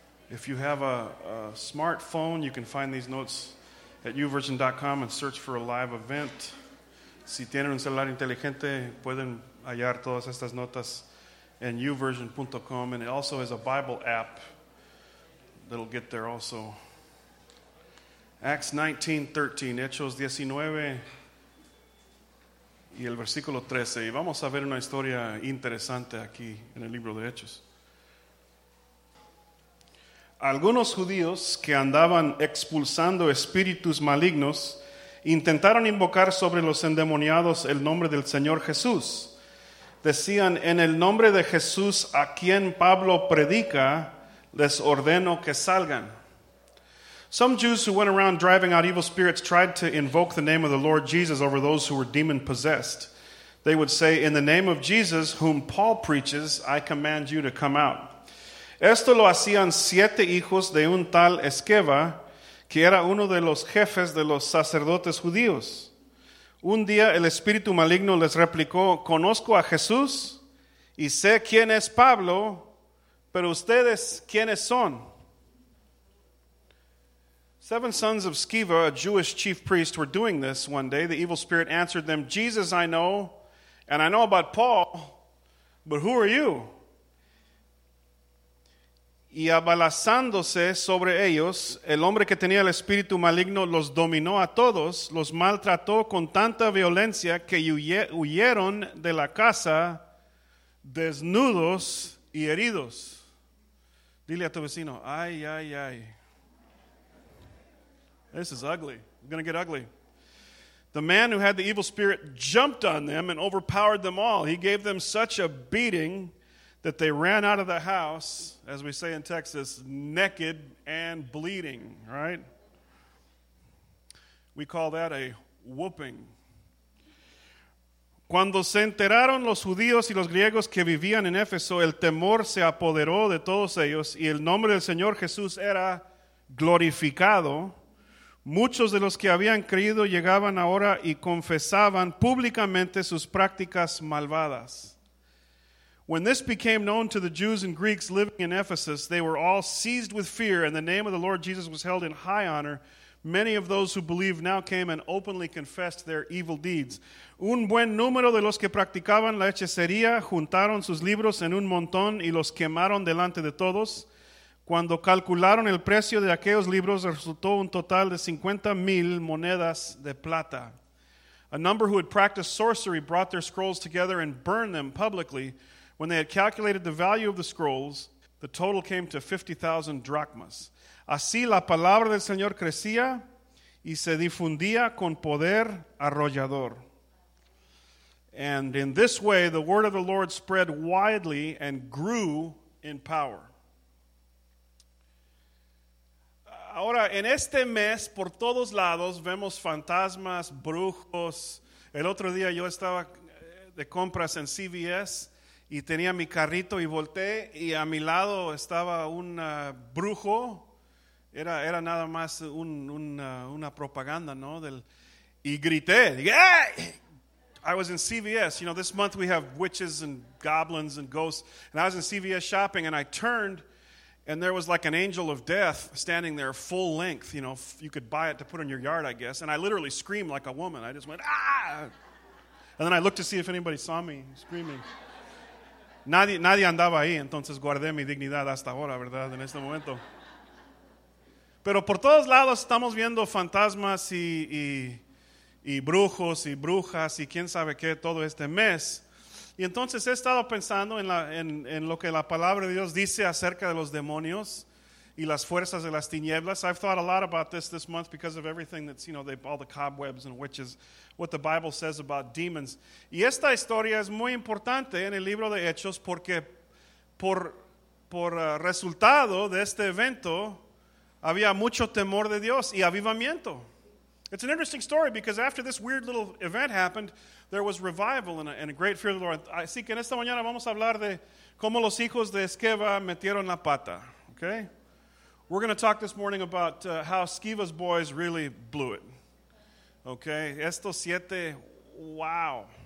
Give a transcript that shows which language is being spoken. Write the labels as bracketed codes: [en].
[en] If you have a smartphone, you can find these notes at uversion.com and search for a live event. [es] Si tienen un celular inteligente, pueden hallar todas estas notas en uversion.com. [en] And it also has a Bible app that'll get there also. Acts 19, 13, Hechos 19. [es] Y el versículo 13. Y vamos a ver una historia interesante aquí en el libro de Hechos. Algunos judíos que andaban expulsando espíritus malignos intentaron invocar sobre los endemoniados el nombre del Señor Jesús. Decían, en el nombre de Jesús a quien Pablo predica, les ordeno que salgan. [en] Some Jews who went around driving out evil spirits tried to invoke the name of the Lord Jesus over those who were demon-possessed. They would say, in the name of Jesus, whom Paul preaches, I command you to come out. [es] Esto lo hacían siete hijos de un tal Esqueva, que era uno de los jefes de los sacerdotes judíos. Un día el espíritu maligno les replicó, conozco a Jesús y sé quién es Pablo, pero ustedes, ¿quiénes son? [en] Seven sons of Sceva, a Jewish chief priest, were doing this one day. The evil spirit answered them, Jesus I know, and I know about Paul, but who are you? [es] Y abalanzándose sobre ellos, el hombre que tenía el espíritu maligno los dominó a todos, los maltrató con tanta violencia que huyeron de la casa desnudos y heridos. Dile a tu vecino, ay, ay, ay. [en] This is ugly. It's going to get ugly. The man who had the evil spirit jumped on them and overpowered them all. He gave them such a beating that they ran out of the house, as we say in Texas, naked and bleeding, right? We call that a whooping. [es] Cuando se enteraron los judíos y los griegos que vivían en Éfeso, el temor se apoderó de todos ellos y el nombre del Señor Jesús era glorificado. Muchos de los que habían creído llegaban ahora y confesaban públicamente sus prácticas malvadas. [en] When this became known to the Jews and Greeks living in Ephesus, they were all seized with fear, and the name of the Lord Jesus was held in high honor. Many of those who believed now came and openly confessed their evil deeds. [es] Un buen número de los que practicaban la hechicería juntaron sus libros en un montón y los quemaron delante de todos. Cuando calcularon el precio de aquellos libros, resultó un total de 50,000 monedas de plata. [en] A number who had practiced sorcery brought their scrolls together and burned them publicly. When they had calculated the value of the scrolls, the total came to 50,000 drachmas. [es] Así la palabra del Señor crecía y se difundía con poder arrollador. [en] And in this way, the word of the Lord spread widely and grew in power. [es] Ahora, en este mes, por todos lados, vemos fantasmas, brujos. El otro día yo estaba de compras en CVS y tenía mi carrito y volteé y a mi lado estaba un brujo. Era nada más una propaganda, ¿no? Y grité. [en] ¡Hey! I was in CVS. You know, this month we have witches and goblins and ghosts. And I was in CVS shopping and I turned. And there was like an angel of death standing there full length. You know, you could buy it to put in your yard, I guess. And I literally screamed like a woman. I just went, ah! And then I looked to see if anybody saw me screaming. [es] Nadie andaba ahí, entonces guardé mi dignidad hasta ahora, ¿verdad? En este momento. Pero por todos lados estamos viendo fantasmas y brujos y brujas y quién sabe qué todo este mes. Y entonces he estado pensando en lo que la palabra de Dios dice acerca de los demonios y las fuerzas de las tinieblas. [en] I've thought a lot about this month because of everything that's, you know, all the cobwebs and witches, what the Bible says about demons. [es] Y esta historia es muy importante en el libro de Hechos porque por resultado de este evento había mucho temor de Dios y avivamiento. [en] It's an interesting story because after this weird little event happened, there was revival and a great fear of the Lord. [es] Así que en esta mañana vamos a hablar de cómo los hijos de Sceva metieron la pata, okay? [en] We're going to talk this morning about how Sceva's boys really blew it, okay? [es] Estos siete, wow.